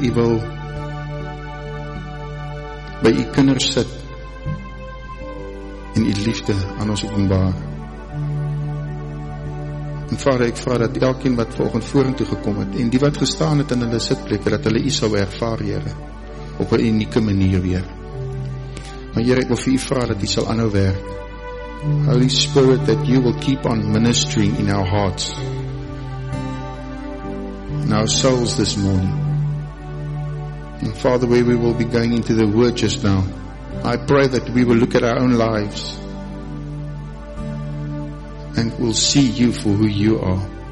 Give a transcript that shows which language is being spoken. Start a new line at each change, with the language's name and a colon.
Afrikaans: U wil by u kinders sit en u liefde aan ons openbaar. En Vader, ek vra dat elkeen wat volgend vorentoe gekom het en die wat gestaan het in hulle sitplekke, dat hulle u sal ervaar, Here, op 'n unieke manier weer. Maar Here, ek wil vir u vra dat u sal aanhou werk.
English: Holy Spirit, that you will keep on ministering in our hearts, in our souls this morning. And Father, where we will be going into the Word just now, I pray that we will look at our own lives and we'll see you for who you are.